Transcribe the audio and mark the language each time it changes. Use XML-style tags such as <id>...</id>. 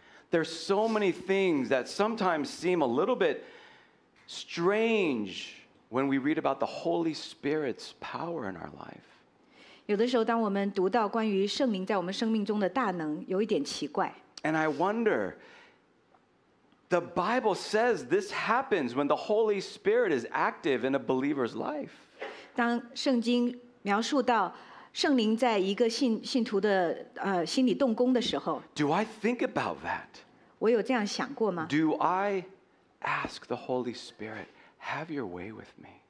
<en>There's so many things that sometimes seem a little bit strange when we read about the Holy Spirit's power in our life.</en> <zh>有的时候当我们读到关于圣灵在我们生命中的大能,有一点奇怪。</zh> <en>And I wonder, the Bible says this happens when the Holy Spirit is active in a believer's life.</en> <zh>当圣经描述到 圣灵在一个信徒的心里动工的时候,</zh> <en>Do I think about that?</en> <zh>我有这样想过吗?</zh> <en>Do I ask the Holy Spirit, have your way with me?</en>